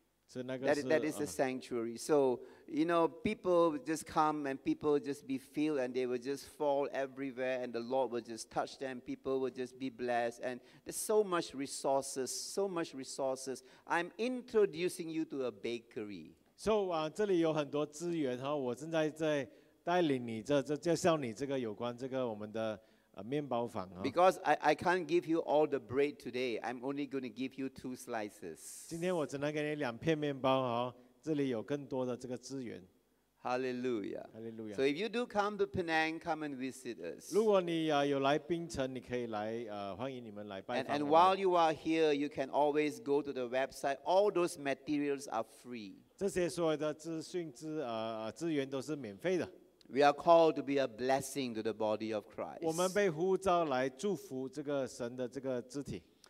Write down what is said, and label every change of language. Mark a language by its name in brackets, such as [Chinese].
[Chinese] 是那个是, [English] that is the sanctuary. So, you know, people just come and people just be filled and they will just fall everywhere and the Lord will just touch them. People will just be blessed. And there's so much resources, so much resources. I'm introducing you to a bakery. [Chinese] So, 这里有很多资源, 我正在带领你这介绍你这个有关这个我们的 面包房, [English] because I can't give you all the bread today. I'm only going to give you 2 slices. [Chinese] 今天我只能给你两片面包, 这里有更多的这个资源。 [English] Hallelujah. Hallelujah. So if you do come to Penang, come and visit us. [Chinese] 如果你, 有来槟城, 你可以来, 欢迎你们来拜访我们。 [English] And while you are here, you can always go to the website. All those materials are free. [Chinese] 这些所有的资讯资, 资源都是免费的。 [English] We are called to be a blessing to the body of Christ. [Chinese] 我们被呼召来祝福这个神的这个肢体。